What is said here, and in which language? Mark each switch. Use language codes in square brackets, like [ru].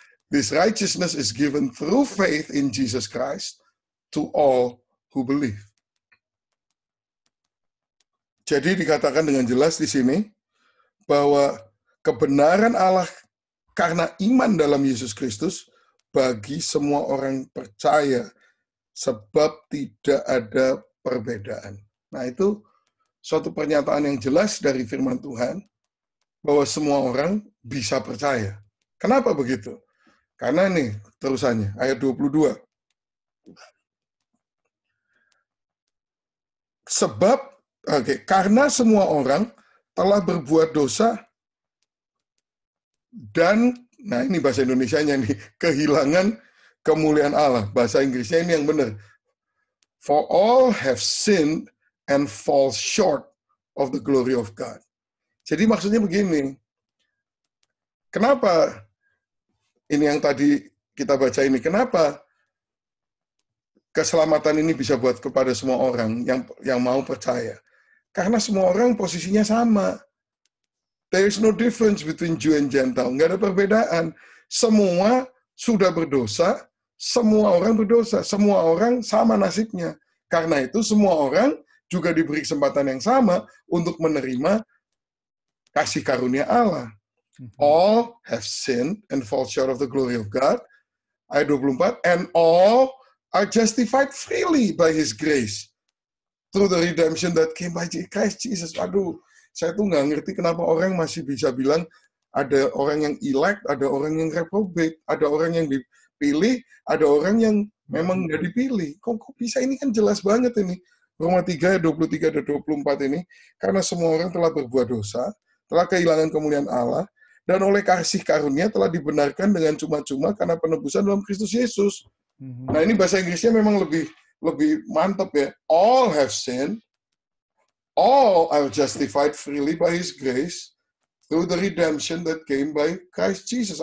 [en] This righteousness is given through faith in Jesus Christ to all who believe. [id] Jadi dikatakan dengan jelas di sini bahwa kebenaran Allah karena iman dalam Yesus Kristus bagi semua orang percaya sebab tidak ada perbedaan. Nah itu suatu pernyataan yang jelas dari firman Tuhan bahwa semua orang bisa percaya. Kenapa begitu? Karena nih terusannya ayat 22. Sebab oke, karena semua orang telah berbuat dosa dan, nah ini bahasa Indonesianya nih, kehilangan kemuliaan Allah. Bahasa Inggrisnya ini yang benar. [en] For all have sinned and fall short of the glory of God. [id] Jadi maksudnya begini, kenapa ini yang tadi kita baca ini, kenapa keselamatan ini bisa buat kepada semua orang yang mau percaya? Karena semua orang posisinya sama. [en] There is no difference between Jew and Gentile. [id] Nggak ada perbedaan. Semua sudah berdosa, semua orang berdosa. Semua orang sama nasibnya. Karena itu semua orang juga diberi kesempatan yang sama untuk menerima kasih karunia Allah. [en] All have sinned and fall short of the glory of God. [id] Ayat 24, [en] and all are justified freely by His grace through the redemption that came by Christ Jesus. [id] Aduh, saya tuh nggak ngerti kenapa orang masih bisa bilang ada orang yang elect, ada orang yang reprobate, ada orang yang dipilih, ada orang yang memang nggak dipilih. Kok bisa? Ini kan jelas banget ini. Roma 3, 23, dan 24 ini. Karena semua orang telah berbuat dosa, telah kehilangan kemuliaan Allah, dan oleh kasih karunia telah dibenarkan dengan cuma-cuma karena penebusan dalam Kristus Yesus. Nah ini bahasa Inggrisnya memang lebih mantap ya. [en] All have sinned, all are justified freely by His grace through the redemption that came by Christ Jesus.